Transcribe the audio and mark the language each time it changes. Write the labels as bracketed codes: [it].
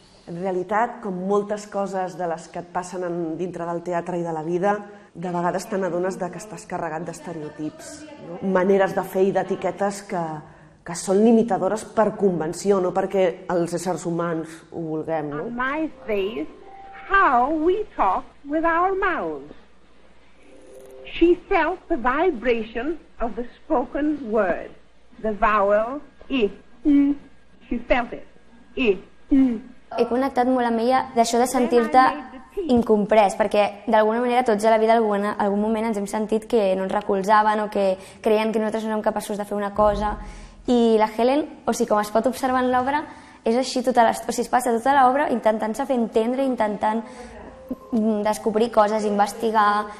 [ca] En realitat, com moltes coses de les que et passen dintre del teatre i de la vida, de vegades te n'adones que estàs carregat d'estereotips, no? Maneres de fer i d'etiquetes que són limitadores per convenció, no perquè els éssers humans ho vulguem. No? [en] On my face, how we talk with our mouths. She felt the vibration of the spoken word, the vowel, i, she felt it, i, [ca] He connectat molt amb ella d'això de sentir-te incomprès, perquè d'alguna manera tots a la vida en algun moment ens hem sentit que no ens recolzaven o que creien que nosaltres no érem capaços de fer una cosa. I la Helen, o sigui, com es pot observar en l'obra, és així tota l'estona, o sigui, es passa tota l'obra intentant-se fer entendre, intentant descobrir coses, investigar.